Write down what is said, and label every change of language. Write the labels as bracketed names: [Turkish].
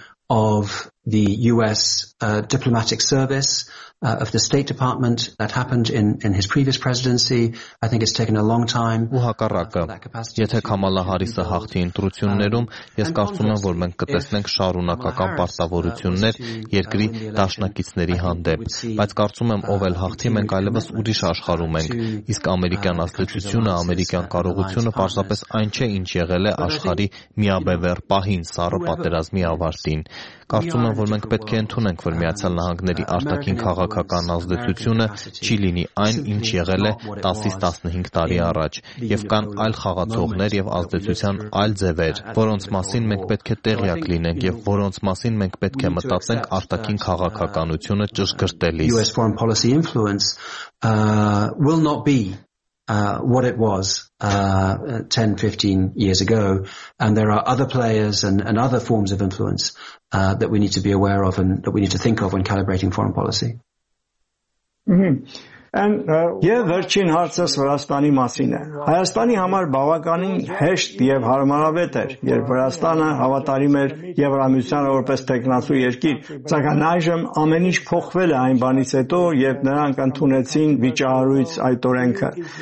[English] Of the US diplomatic service, of the State Department that happened in his previous presidency. I think it's taken a long time. [Armenian] Ուհակառակը, եթե Կամալա Հարիսը հաղթի ընտրություններում, ես կարծում եմ, որ մենք կտեսնենք շարունակական պարտավորություններ երկրի դաշնակիցների հանդեպ, բայց կարծում եմ, ով էլ հաղթի, մենք այլևս ուրիշ աշխարհում ենք, իսկ ամերիկյան ազդեցությունը, ամերիկյան կարողությունը պարզապես այն չէ, ինչ եղել է աշխարհի միաբևեռ պահին սառը պատերազմի ավարտին։ Կարծում եմ, որ մենք պետք է ընդունենք, որ Միացյալ Նահանգների արտաքին քաղաքական ազդեցությունը չի լինի այն, ինչ եղել է 10-ից 15 տարի առաջ, եւ կան այլ խաղացողներ եւ ազդեցության այլ ձևեր, որոնց մասին մենք պետք է տեղյակ լինենք եւ որոնց մասին մենք պետք է մտածենք արտաքին քաղաքականությունը ճշգրտելիս։ [English] US foreign policy influence will not be what it was 10 15 years ago, and there are other players and other forms of influence that we need to be aware of and that we need to think of when calibrating foreign policy. Mm-hmm. And [Armenian] եւ վերջին հարցս Վրաստանի մասին է։ Հայաստանի համար բավականին հեշտ եւ հարմարավետ էր, երբ Վրաստանը հավատարիմ էր Եվրամիության որպես տեխնացու երկիր, ցանկան այժմ ամեն ինչ փոխվել է այն բանից հետո, երբ նրանք ընդունեցին վիճառույց այդ օրենքը։